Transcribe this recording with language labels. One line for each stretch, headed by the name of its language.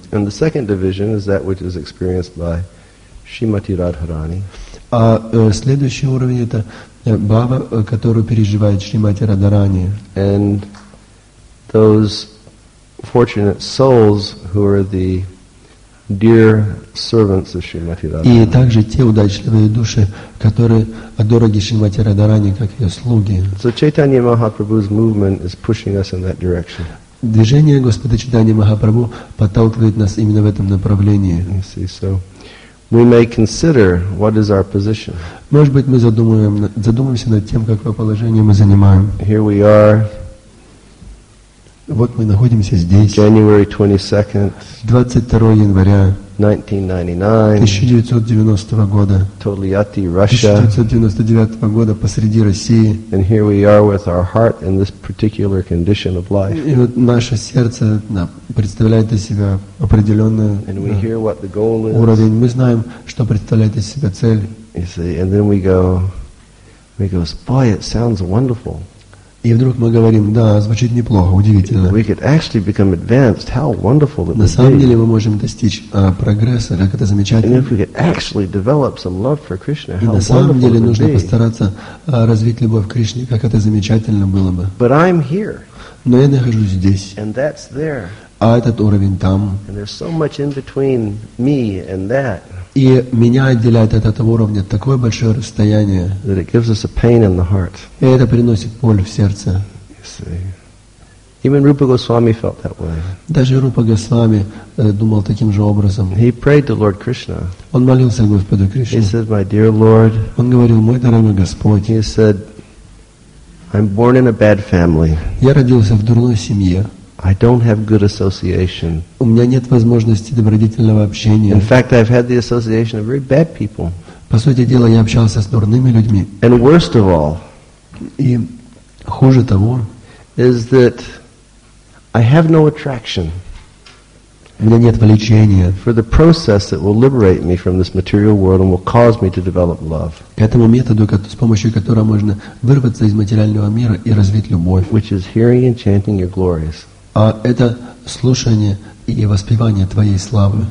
English: And the second division is that which is experienced by Shrimati Radharani.
Russian: А следующий уровень это бхава, которую переживает Шримати Радхарани.
English: And those fortunate souls who are the dear servants of Shrimati Radharani.
Russian: И также те удачливые души, которые дороги Шримати Радхарани, как ее слуги.
English: So Chaitanya Mahaprabhu's movement is pushing us in that direction.
Russian: Движение Господа Чайтаньи Махапрабху подталкивает нас именно в этом направлении.
English: You see, so we may consider what is our position.
Russian: Может быть, мы задумаемся над тем, какое положение мы занимаем.
English: Here we are.
Russian: Вот мы находимся здесь.
English: January 22nd,
Russian: 22 января
English: 1999
Russian: года.
English: Тольятти, Russia.
Russian: 1999 года посреди России.
English: And here we are with our heart in this particular condition of life.
Russian: И вот наше сердце представляет из себя определенное.
English: And we hear what the goal is.
Russian: Уровень. Мы знаем, что представляет из себя цель.
English: You see, and then we go, boy, it sounds wonderful.
Russian: И вдруг мы говорим, да, звучит неплохо, удивительно.
English: We could actually become advanced. How wonderful it
Russian: На самом деле мы можем достичь прогресса, как это замечательно.
English: And if we could actually develop some love for Krishna, how wonderful
Russian: самом деле нужно постараться развить любовь к Кришне, как это замечательно было бы.
English: But I'm here.
Russian: Но я нахожусь здесь.
English: And that's there.
Russian: А этот уровень там.
English: And there's so much in between me and that.
Russian: И меня отделяет от этого уровня такое большое расстояние.
English: That it gives us a pain in the heart.
Russian: И это приносит боль в сердце.
English: Even Rupa Goswami felt that way.
Russian: Даже Рупа Госвами думал таким же образом.
English: He prayed to Lord Krishna.
Russian: Он молился Господу Кришне.
English: He said, "My dear Lord."
Russian: Он говорил, мой дорогой Господь.
English: He said, "I'm born in a bad family."
Russian: Я родился в дурной семье.
English: I don't have good association.
Russian: У меня нет возможности добродетельного общения.
English: In fact, I've had the association of very bad people.
Russian: По сути дела, я общался с дурными людьми.
English: And worst of all,
Russian: и хуже того,
English: is that I have no attraction.
Russian: меня нет влечения.
English: For the process that will liberate me from this material world and will cause me to develop love.
Russian: К этому методу, с помощью которого можно вырваться из материального мира и развить любовь.
English: Which is hearing and chanting your glories.
Russian: А это слушание и воспевание твоей славы.